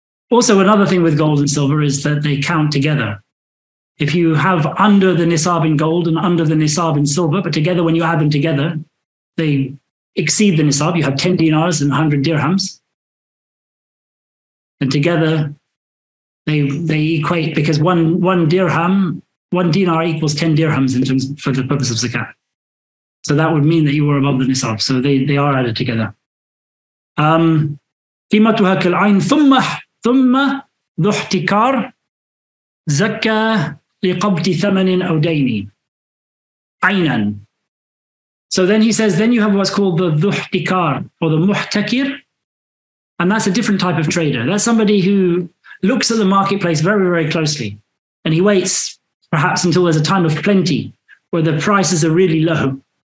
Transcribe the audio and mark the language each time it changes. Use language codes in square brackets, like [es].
[en] Also, another thing with gold and silver is that they count together. If you have under the nisab in gold and under the nisab in silver, but together, when you add them together, they exceed the nisab, you have 10 dinars and 100 dirhams. And together, they equate, because one dinar equals 10 dirhams in terms for the purpose of zakat. So that would mean that you were above the nisab. So they are added together. [ar] قيمتها كالعين ثم ذو احتكار زكى لقبض ثمن أو دين عينا. [en] So then he says, then you have what's called the ذو احتكار or the محتكر, and that's a different type of trader. That's somebody who looks at the marketplace very, very closely, and he waits perhaps until there's a time of plenty where the prices are really low.